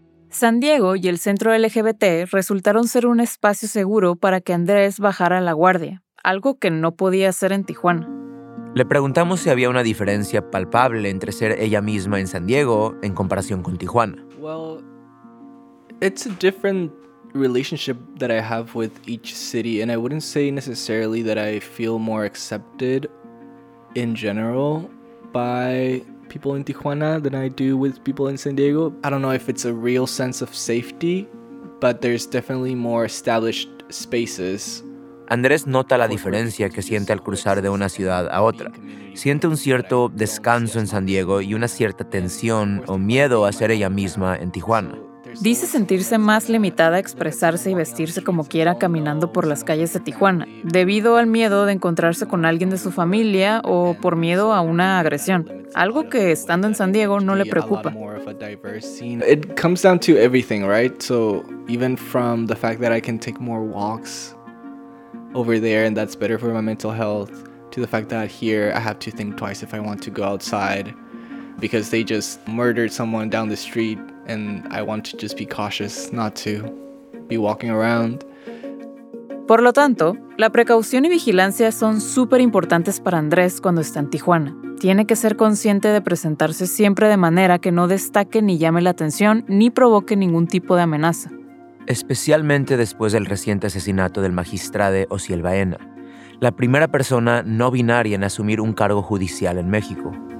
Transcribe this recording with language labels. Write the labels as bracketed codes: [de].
[es] San Diego y el centro LGBT resultaron ser un espacio seguro para que Andrés bajara la guardia, algo que no podía hacer en Tijuana. Le preguntamos si había una diferencia palpable entre ser ella misma en San Diego en comparación con Tijuana. [en] Well, it's a different relationship that I have with each city, and I wouldn't say necessarily that I feel more accepted in general by people in Tijuana than I do with people in San Diego. I don't know if it's a real sense of safety, but there's definitely more established spaces. [es] Andrés nota la diferencia que siente al cruzar de una ciudad a otra. Siente un cierto descanso en San Diego y una cierta tensión o miedo a ser ella misma en Tijuana. Dice sentirse más limitada a expresarse y vestirse como quiera caminando por las calles de Tijuana, debido al miedo de encontrarse con alguien de su familia o por miedo a una agresión, algo que estando en San Diego no le preocupa. [en] It comes down to everything, right? So even from the fact that I can take more walks over there and that's better for my mental health, to the fact that here I have to think twice if I want to go outside because they just murdered someone down the street. And I want to just be cautious not to be walking around. [es] Por lo tanto, la precaución y vigilancia son súper importantes para Andrés cuando está en Tijuana. Tiene que ser consciente de presentarse siempre de manera que no destaque ni llame la atención ni provoque ningún tipo de amenaza. Especialmente después del reciente asesinato del magistrado Osiel Baena, la primera persona no binaria en asumir un cargo judicial en México.